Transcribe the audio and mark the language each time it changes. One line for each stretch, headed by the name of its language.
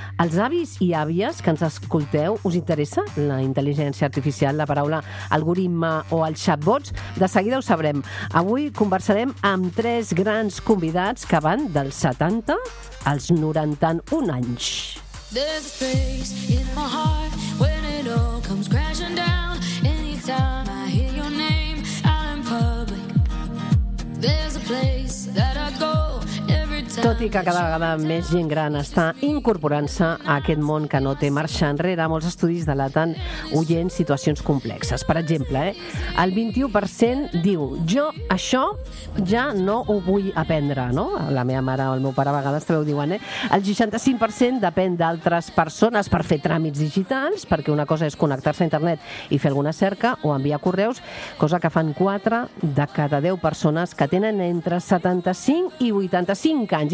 Catalan: Els avis i àvies que ens escolteu, us interessa la intel·ligència artificial, la paraula algoritme o els chatbots? De seguida ho sabrem. Avui conversarem amb tres grans convidats que van dels 70 als 91 anys.
English: There's a space in my heart when it all comes crashing down. Anytime I hear your name out in public, there's a place that I go.
Catalan: Tot i que cada vegada més gent gran està incorporant-se a aquest món que no té marxa enrere, molts estudis delaten oient situacions complexes. Per exemple, el 21% diu, jo això ja no ho vull aprendre, no? La meva mare o el meu pare a vegades també ho diuen, El 65% depèn d'altres persones per fer tràmits digitals, perquè una cosa és connectar-se a internet i fer alguna cerca o enviar correus, cosa que fan 4 de cada 10 persones que tenen entre 75 i 85 anys.